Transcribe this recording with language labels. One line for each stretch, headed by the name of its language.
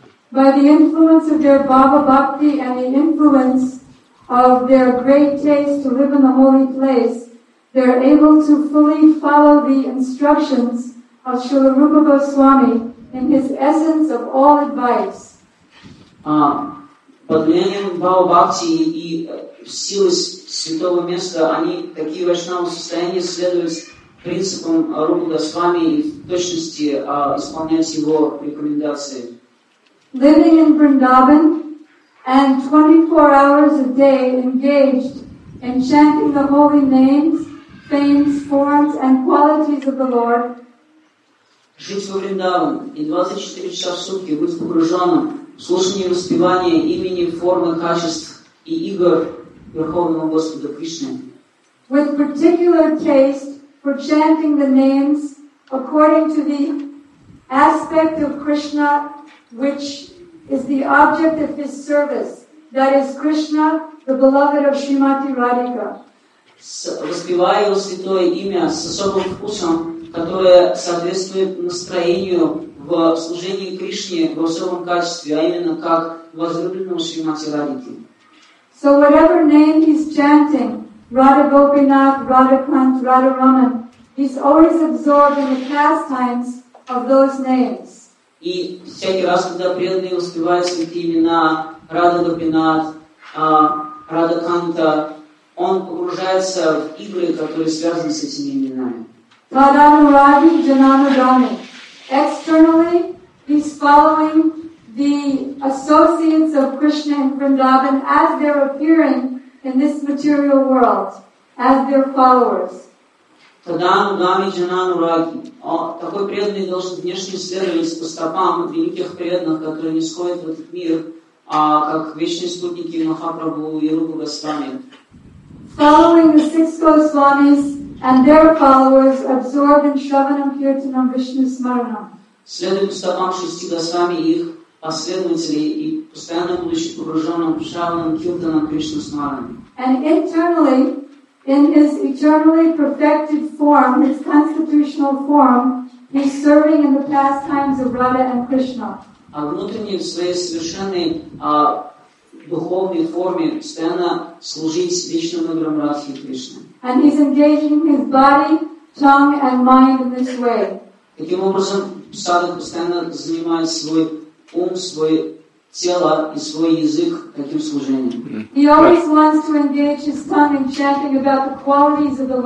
English: By the influence of their Bhava Bhakti and the influence of their great taste to live in the holy place, they are able to fully follow the instructions of Srila Rupa Goswami in his essence of all advice.
Russian: Под влиянием Бхава Бхакти и силы святого места, они такие вайшнавы в состоянии следовать принципам Рупа Госвами и в точности исполнять его рекомендации.
English: Living in Vrindavan and 24 hours a day engaged in chanting the holy names, fames, forms and qualities of the Lord.
Russian: Жить во Вриндаван и 24 часа в сутки быть погруженным слушание и воспевание имени, формы, качеств и игр Верховного Господа Кришны.
English: With particular taste for chanting the names according to the aspect of Krishna, which is the object of his service, that is Krishna, the beloved of Srimati Radhika.
Russian: Воспевая его святое имя с особым вкусом, которое соответствует настроению в служении Кришне в особом качестве, а именно как возлюбленному Шримати Радхике.
English: So whatever name he's chanting, Radha Gopinath, Radha Kant, Radha Raman, he's always absorbed in the pastimes of those names.
Russian: И всякий раз, когда преданные воспевают святые имена Радха Гопинат, Радха Канта, он погружается в игры, которые связаны с этими именами. Радануради, Джананурами.
English: Externally, he's following the associates of Krishna and Vrindavan as they're appearing in this material world, as their followers.
Russian: Таданурами, Джананурами. Такой преданный должен внешне следовать по стопам великих преданных, которые нисходят в этот мир, как вечные спутники Махапрабху и Рупа Госвами.
English: Following the six Goswamis and their followers absorbed in Shravanam Kirtanam Vishnu Smaranam.
Russian: Следуя стопам шести Госвами и их последователей и постоянно будучи погруженным в Шравана Киртанам Кришна Смаранам.
English: And internally, in his eternally perfected form, his constitutional form, he's serving in the pastimes of Radha and Krishna.
Russian: А внутренне в своей совершенной духовной форме постоянно служить вечным играм Радхи и Кришны.
English: And he's engaging his body, tongue, and mind in this way.
Russian: Таким образом, садхак постоянно занимает свой ум, свое тело и свой язык таким служением.
English: He always wants to engage his tongue in chanting about the qualities of the Lord.